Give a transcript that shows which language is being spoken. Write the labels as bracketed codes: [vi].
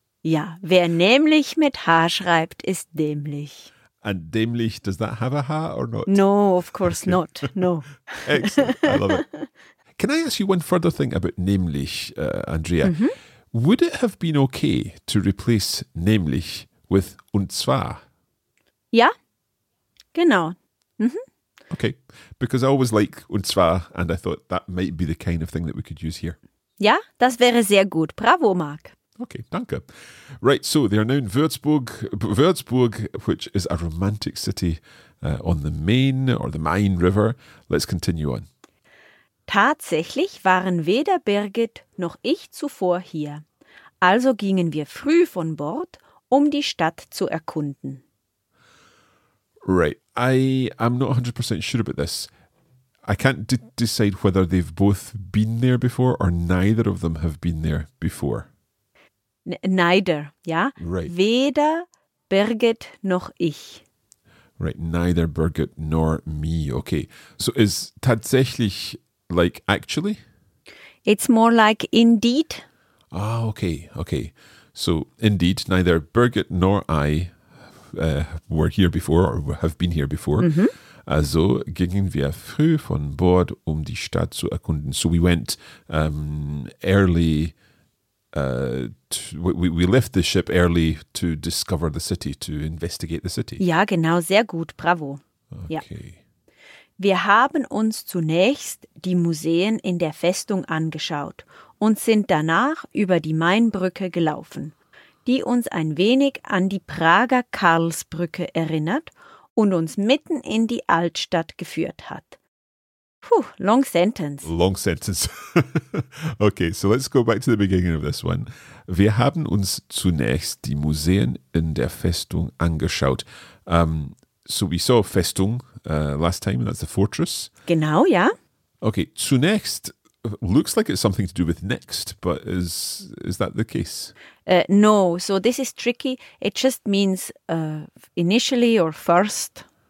[de] Ja, wer nämlich mit H schreibt, ist dämlich. [en] And dämlich, does that have a H or not? No, of course okay. not. No. Excellent. I love it. Can I ask you one further thing about nämlich, Andrea? Mm-hmm. Would it have been okay to replace nämlich with und zwar? [de] Ja, genau. Mm-hmm. [en] Okay, because I always like und zwar and I thought that might be the kind of thing that we could use here. [de] Ja, das wäre sehr gut. Bravo, Marc. Okay, danke. [en] Right, so they are now in Würzburg, which is a romantic city on the Main or the Main River. Let's continue on. [de] Tatsächlich waren weder Birgit noch ich zuvor hier. Also gingen wir früh von Bord um die Stadt zu erkunden. [en] Right. I'm not 100% sure about this. I can't decide whether they've both been there before or neither of them have been there before. Neither, ja? Right. [de] Weder Birgit noch ich. [en] Right, neither Birgit nor me. Okay, so is tatsächlich like actually? It's more like indeed. Ah, okay, okay. So indeed, neither Birgit nor I were here before or have been here before. Mm-hmm. [de] Also gingen wir früh von Bord, um die Stadt zu erkunden. [en] So we went early, we left the ship early to discover the city, to investigate the city. [de] Ja, genau, sehr gut, bravo. [en] Okay. [de] Ja. Wir haben uns zunächst die Museen in der Festung angeschaut und sind danach über die Mainbrücke gelaufen, die uns ein wenig an die Prager Karlsbrücke erinnert und uns mitten in die Altstadt geführt hat. [en] Puh, long sentence. Long sentence. Okay, so let's go back to the beginning of this one. [de] Wir haben uns zunächst die Museen in der Festung angeschaut. [en] So we saw Festung last time, and that's the fortress. [de] Genau, ja. [en] Okay, zunächst looks like it's something to do with next, but is that the case? No, so this is tricky. It just means initially or first.